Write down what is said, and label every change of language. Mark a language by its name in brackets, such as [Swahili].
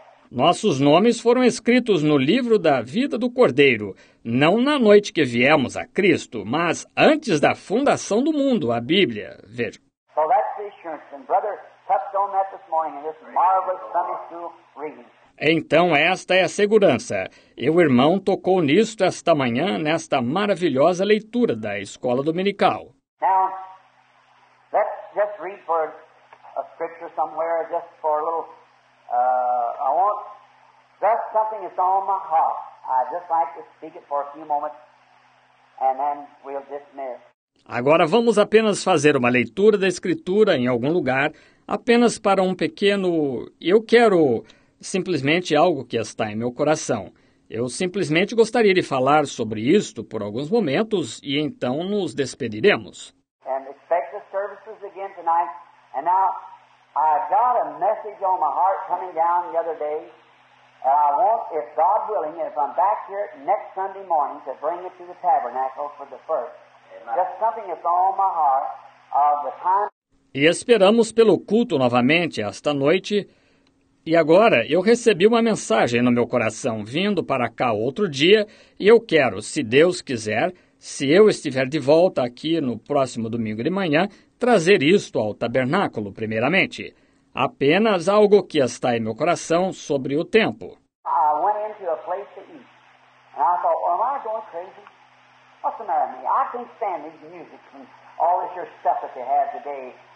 [Portuguese] Nossos nomes foram escritos no livro da vida do Cordeiro, não na noite que viemos a Cristo, mas antes da fundação do mundo, a Bíblia. Veja. [English] So that's the assurance, and brother touched on that this morning in this marvelous Sunday school reading. [Portuguese] Então, esta é a segurança. E o irmão tocou nisto esta manhã, nesta maravilhosa leitura da escola dominical. [English] Now, let's just read for a scripture somewhere, just for a little, I want, just something that's on my heart. I'd just like to speak it for a few moments, and then we'll dismiss. [Portuguese] Agora vamos apenas fazer uma leitura da escritura em algum lugar, apenas para um pequeno, eu quero... Simplesmente algo que está em meu coração. Eu simplesmente gostaria de falar sobre isto por alguns momentos e então nos despediremos. [English] And expect the services again tonight. And now, I got a message on my heart coming down the other day. And I want, if God willing, if I'm back here next Sunday morning to bring it to the tabernacle for the first. Amen. Just something that's on my heart of the time. [Portuguese] E esperamos pelo culto novamente esta noite. E agora, eu recebi uma mensagem no meu coração vindo para cá outro dia, e eu quero, se Deus quiser, se eu estiver de volta aqui no próximo domingo de manhã, trazer isto ao tabernáculo primeiramente. Apenas algo que está em meu coração sobre o tempo. [English] I went into a place to eat. And I thought, well, am I going crazy? What's the matter with me? I can't stand these music and all this your stuff that you have today.